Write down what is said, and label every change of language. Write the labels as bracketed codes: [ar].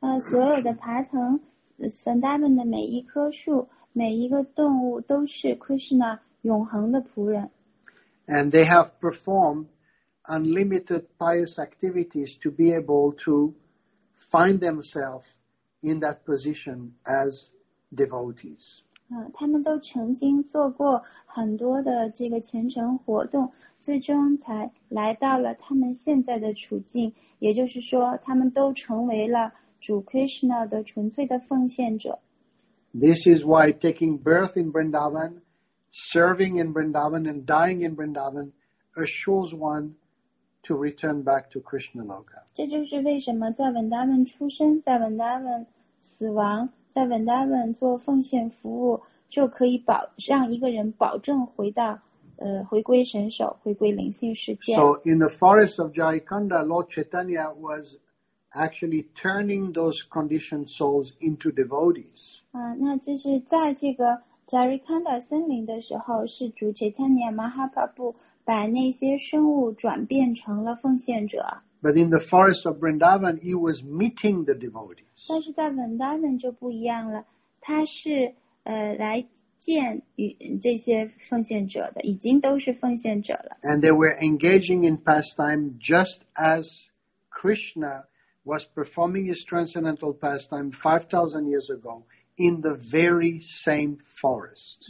[zh] 所有的爬藤 Vrindavan 的每一棵树每一个动物都是 Krishna 永恒的仆人。 [en] And they have performed unlimited pious activities to be able to find themselves in that position as devotees. [zh] 他们都曾经做过很多的这个虔诚活动，最终才来到了他们现在的处境，也就是说，他们都成为了主 Krishna 的纯粹的奉献者。 [en] This is why taking birth in Vrindavan, serving in Vrindavan, and dying in Vrindavan assures one. To return back to Krishna Loka. [zh] 这就是为什么在 Vrindavan 出生，在 Vrindavan 死亡，在 Vrindavan 做奉献服务，就可以保让一个人保证回到回归神手，回归灵性世界。 [en] So in the forest of Jarikanda, Lord Chaitanya was actually turning those conditioned souls into devotees. [zh] 那就是在这个在瑞康达森林的时候，是主切特尼亚马哈帕布把那些生物转变成了奉献者。 [en] But in the forest of Vrindavan, he was meeting the devotees. [zh] 但是在 Vrindavan 就不一样了，他是来见与这些奉献者的，已经都是奉献者了。 [en] And they were engaging in pastime just as Krishna was performing his transcendental pastime 5,000 years ago in the very same forest.